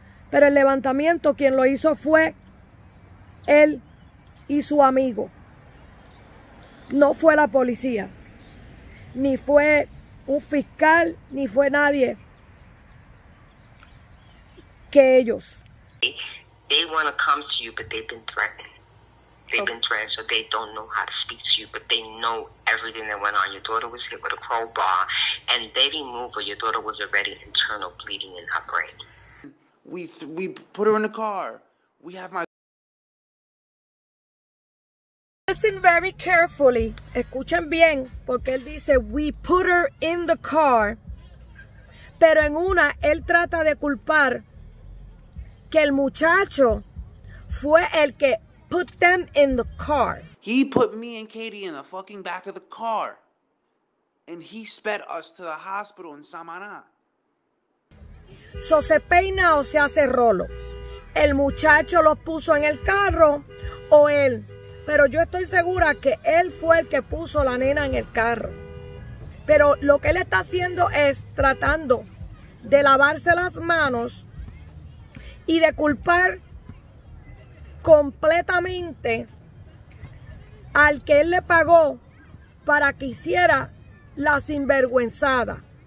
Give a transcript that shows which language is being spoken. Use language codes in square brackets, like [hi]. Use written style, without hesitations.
[es] Pero el levantamiento, quien lo hizo fue él y su amigo. No fue la policía, ni fue un fiscal, ni fue nadie que ellos. [en] They want to come to you, but they've been threatened. They've been threatened, so they don't know how to speak to you, but they know everything that went on. Your daughter was hit with a crowbar, and they removed her. Your daughter was already internal bleeding in her brain. We put her in a car. We have my... Listen very carefully. [es] Escuchen bien, porque él dice, [en] we put her in the car. [es] Pero en una, él trata de culpar que el muchacho fue el que [en] put them in the car. He put me and Katie in the fucking back of the car. And he sped us to the hospital in Samaná. So [es] se peina o se hace rolo. El muchacho los puso en el carro o él. Pero yo estoy segura que él fue el que puso la nena en el carro. Pero lo que él está haciendo es tratando de lavarse las manos y de culpar completamente al que él le pagó para que hiciera la sinvergüenzada.